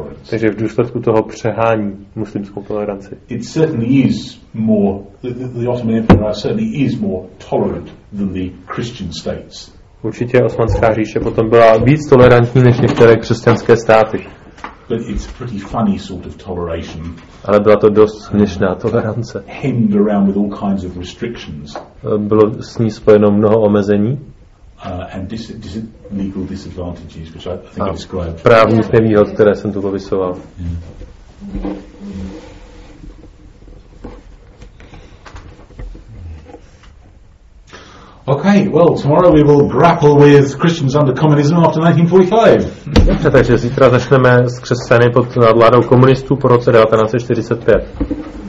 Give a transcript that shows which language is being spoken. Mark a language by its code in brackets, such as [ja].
[cs] Takže v důsledku toho přehání muslimskou toleranci. [en] It certainly is more, the Ottoman Empire certainly is more tolerant than the Christian states. [cs] Určitě osmanská říše potom byla víc tolerantní než některé křesťanské státy. [en] But it's pretty funny sort of toleration. [cs] Ale byla to dost směšná tolerance. [en] Hemmed around with all kinds of restrictions. [cs] Bylo s ní spojeno mnoho omezení. [en] And legal disadvantages, which I think I described. [cs] Právních nevýhod, které jsem tu popisoval. [en] Okay, well, tomorrow we will grapple with Christians under communism after 1945. [cs] Takže zítra začneme s křesťany pod nadvládou komunistů po roce 1945.